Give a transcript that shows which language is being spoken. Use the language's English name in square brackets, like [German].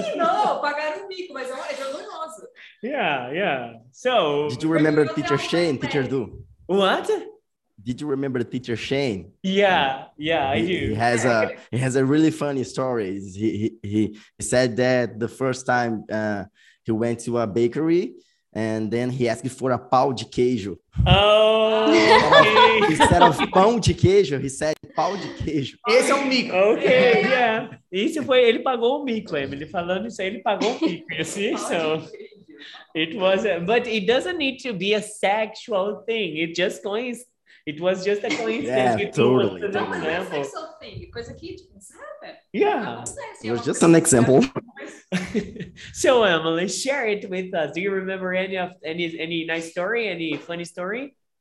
[Portuguese] Não, pagar um mico, mas é vergonhoso. [English] Yeah. So, did you remember Teacher Shay and Teacher Drew? What? Did you remember Teacher Shane? Yeah, I do. He has a really funny story. He said that the first time he went to a bakery and then he asked for a pau de queijo. Okay. Instead of pão de queijo, he said pau de queijo. [Portuguese] Esse é um mico. [English] Okay, yeah. [Portuguese] Isso foi, ele pagou um mico, Emily. Falando isso aí, ele pagou um mico. [English] You see? So, it was, but it doesn't need to be a sexual thing. It just coins. It was just a coincidence. Yeah, totally. It was an example. Because yeah. It was just an example. So, Emily, share it with us. Do you remember any nice story, any funny story?